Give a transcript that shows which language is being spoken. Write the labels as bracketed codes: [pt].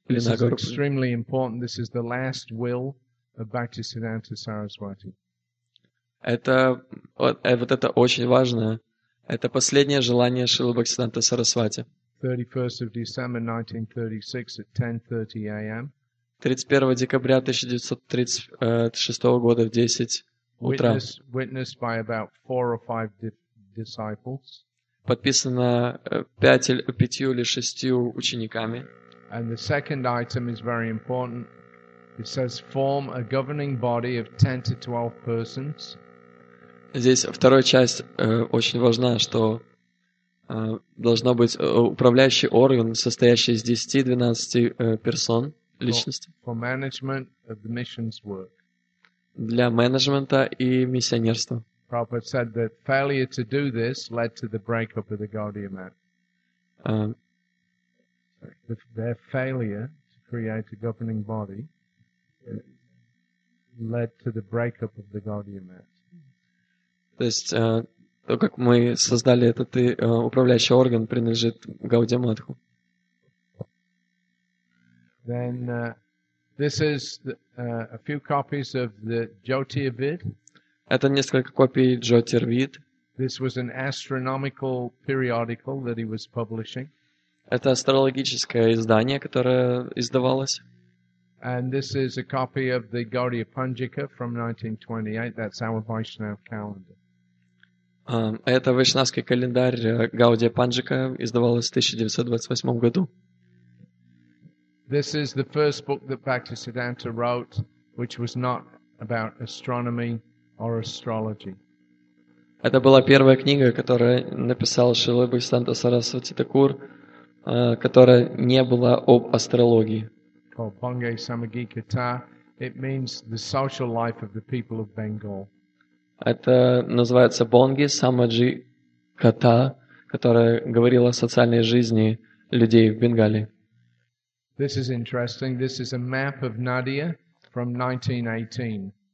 [en] This is extremely important. This is the last will of Bhaktisiddhanta Saraswati. [ru] Это очень важно. Это последнее желание Шрилы Бхактисиддханты Сарасвати. [en] 31 December 1936 at 10:30 a.m. [ru] 31 декабря 1936 года в 10 утра. [en] Witnessed by about four or five disciples. [ru] Подписано пятью или шестью учениками. [en] And the second item is very important. It says form a governing body of 10 to 12 persons. [ru] Здесь вторая часть очень важна, что должно быть управляющий орган, состоящий из 10-12 персон, личностей. [en] For management of the mission's work. [ru] Для менеджмента и миссионерства. [en] Prabhupada said that failure to do this led to the breakup of the Gaudiya Mat. Their failure to create a governing body led to the breakup of the Gaudiya Mat. [ru] То есть то, как мы создали этот управляющий орган, принадлежит Гаудия Матху. [en] Then this is a few copies of the Jyotir Vid. [ru] Это несколько копий Jyotir Vid. [en] This was an astronomical periodical that he was publishing. [ru] Это астрологическое издание, которое издавалось. [en] And this is a copy of the Gaudiya Panjika from 1928. That's our Vaishnav calendar. [ru] Это вайшнавский календарь Гаудия Панджика, издавалось в 1928 году. [en] This is the first book that Bhaktisiddhanta wrote, which was not about astronomy. Or astrology. [ru] Это была первая книга, которую написал Шрила Бхактисиддханта Сарасвати Такур, которая не была об астрологии. [en] Called Bhangai Samagikata. It means the social life of the people of Bengal. [ru] Это называется Бонги Самаджи Ката, которая говорила о социальной жизни людей в Бенгалии. [en] This is interesting. This is a map of Nadia from 1918.